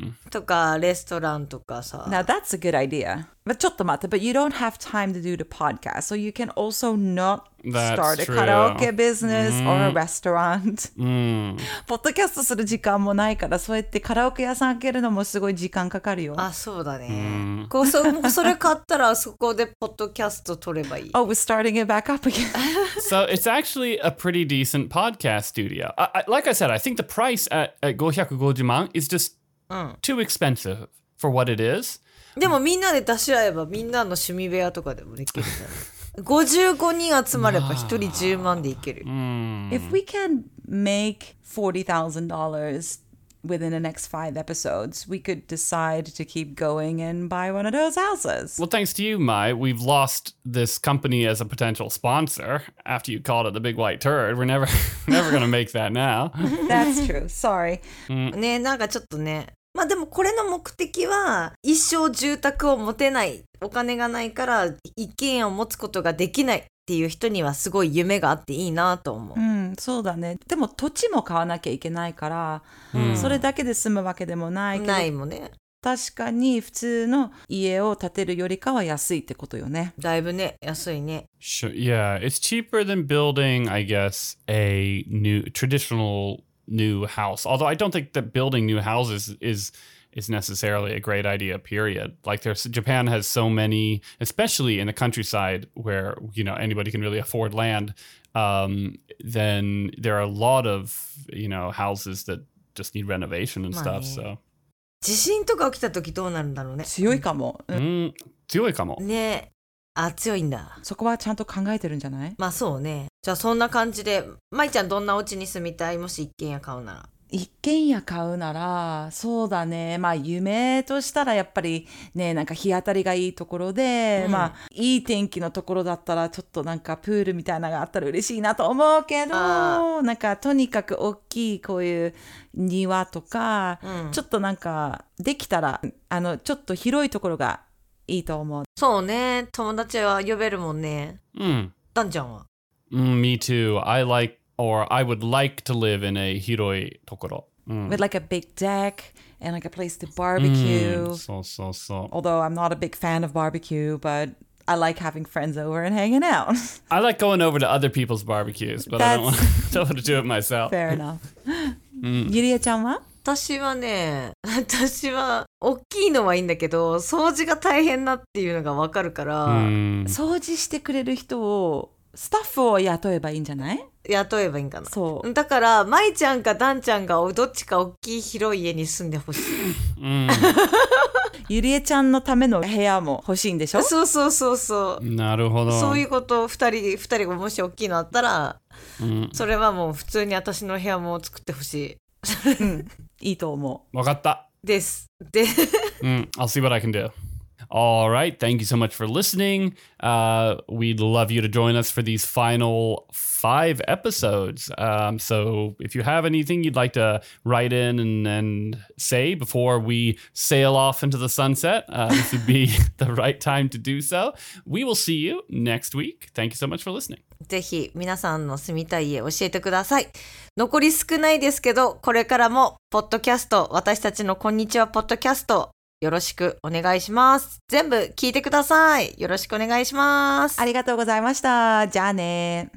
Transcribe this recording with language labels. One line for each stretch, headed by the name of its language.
Japanese: とかレストランとかさ。
English: Now that's a good idea. But
Japanese: ちょっと待って。
English: But you don't have time to do the podcast. So you can also not start a karaoke business or a restaurant.
Japanese: ポッドキャストする時間もないから、そうやってカラオケ屋さん開けるのもすごい時間かかるよ。あ、そうだね。それ買ったらそこでポッドキャスト撮ればいい。
English: Oh, we're starting it back up again. So it's actually a pretty decent podcast studio. Like I said, I think the price at 550 万 is justtoo expensive for what it is.
Japanese: でもみんなで出し合えばみんなの趣味部屋とかでもできるじゃん。 55人集まれば1人10万でいける。
English: If we can make $40,000 within the next 5 episodes, we could decide to keep going and buy one of those houses. Well, thanks to you, Mai, we've lost this company as a potential sponsor after you called it the big white turd. We're never going to make that now. That's true. Sorry.
Japanese: ね、なんかちょっとね。まあでもこれの目的は一生住宅を持てない、お金がないから一軒家を持つことができないっていう人にはすごい夢があっていいなと思う。うん、そうだね。でも土地も買わなきゃいけないから、それだけで住むわけでもないけど。ないもね。確かに普通の家を建てるよりかは安いってことよね。だいぶね、安いね。
English: Sure. Yeah, it's cheaper than building, I guess, a new traditional new house. Although I don't think that building new houses is necessarily a great idea, period. Like there's, Japan has so many, especially in the countryside where, you know, anybody can really afford land, then there are a lot of, you know, houses that just need renovation and stuff, so.
Japanese: 地震とか起きた時どうなるんだろうね。強いかも。強いかも。ね。あ、強いんだ。そこはちゃんと考えてるんじゃない？まあそうね。じゃあそんな感じで、まいちゃんどんなお家に住みたい？もし一軒家買うなら。一軒家買うなら、そうだね。まあ夢としたらやっぱりね、なんか日当たりがいいところで、まあいい天気のところだったらちょっとなんかプールみたいなのがあったら嬉しいなと思うけど、なんかとにかく大きいこういう庭とか、ちょっとなんかできたら、ちょっと広いところがいいと思う。そうね。友達は呼べるもんね。ダンちゃんは。
English: Me too. I would like to live in a
Japanese: 広いところ。
English: With like a big deck and like a place to barbecue. So. Although I'm not a big fan of barbecue, but I like having friends over and hanging out. I like going over to other people's barbecues, but I don't want to do it myself. Fair enough.
Japanese: ゆりえちゃんは？私はね、私は大きいのはいいんだけど、掃除が大変なっていうのがわかるから、掃除してくれる人を、スタッフを雇えばいいんじゃない？雇えばいいんかな。そう。だから、まいちゃんかダンちゃんがどっちか大きい広い家に住んでほしい。ゆりえちゃんのための部屋も欲しいんでしょ？そう。なるほど。そういうこと、二人がもし大きいのあったら、それはもう普通に私の部屋も作ってほしい。いいと思う。わかった。です。で
English: 。I'll see what I can do. All right. Thank you so much for listening. We'd love you to join us for these final five episodes. So if you have anything you'd like to write in and say before we sail off into the sunset, this would be the right time to do so. We will see you next week. Thank you so much for listening.
Japanese: ぜひ皆さんの住みたい家教えてください。残り少ないですけど、これからもポッドキャスト、私たちのこんにちはポッドキャスト、よろしくお願いします。全部聞いてください。よろしくお願いします。ありがとうございました。じゃあね。